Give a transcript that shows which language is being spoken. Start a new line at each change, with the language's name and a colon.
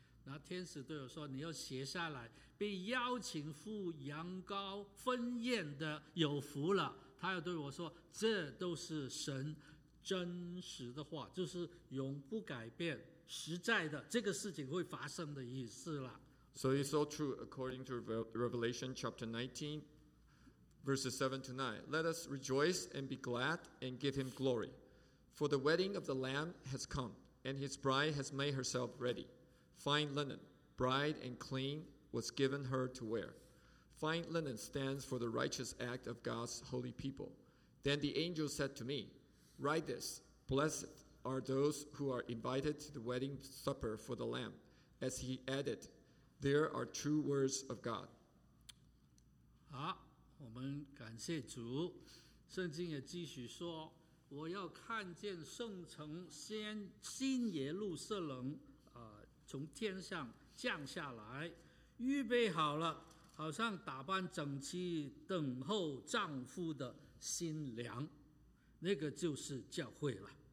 Chinese: 那天使对我说，你要写下来，被邀请赴羊羔婚宴的有福了。他又对我说，这都是神真实的话，就是永不改变实在的，这个事情会发生的意思了。
English: So it's all true according to Revelation chapter 19Verses 7 to 9. Let us rejoice and be glad and give him glory. For the wedding of the Lamb has come, and his bride has made herself ready. Fine linen, bright and clean, was given her to wear. Fine linen stands for the righteous act of God's holy people. Then the angel said to me, Write this, Blessed are those who are invited to the wedding supper for the Lamb. As he added, There are true words of God.
Chinese: Ah. 我们感谢主，圣经也继续说，我要看见圣城先新耶路撒冷、从天上降下来，预备好了，好像打扮整齐等候丈夫的新娘，那个就是教会了。